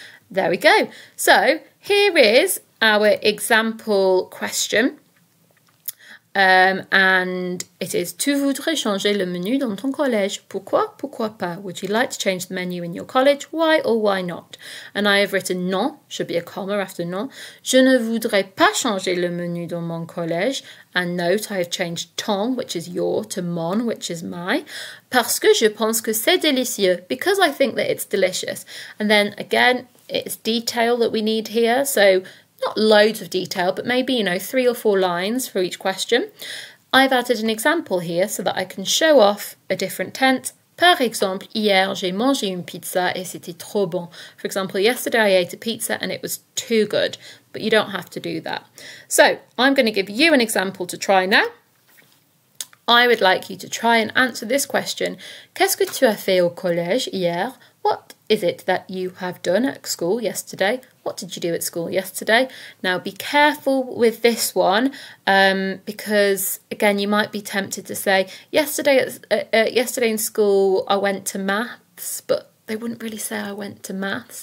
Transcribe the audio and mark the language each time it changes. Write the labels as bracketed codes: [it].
[en] There we go. So here is our example question. [fr] And it is, tu voudrais changer le menu dans ton collège? Pourquoi? Pourquoi pas? [en] Would you like to change the menu in your college? Why or why not? And I have written non, should be a comma after non. [fr] Je ne voudrais pas changer le menu dans mon collège. [en] And note, I have changed ton, which is your, to mon, which is my. [fr] Parce que je pense que c'est délicieux. [en] Because I think that it's delicious. And then again, it's detail that we need here. So not loads of detail, but maybe, you know, three or four lines for each question. I've added an example here so that I can show off a different tense. [fr] Par exemple, hier j'ai mangé une pizza et c'était trop bon. [en] For example, yesterday I ate a pizza and it was too good. But you don't have to do that. So I'm going to give you an example to try now. I would like you to try and answer this question. [fr] Qu'est-ce que tu as fait au collège hier? [en] What is it that you have done at school yesterday? What did you do at school yesterday? Now, be careful with this one because, again, you might be tempted to say, yesterday in school I went to maths, but they wouldn't really say I went to maths.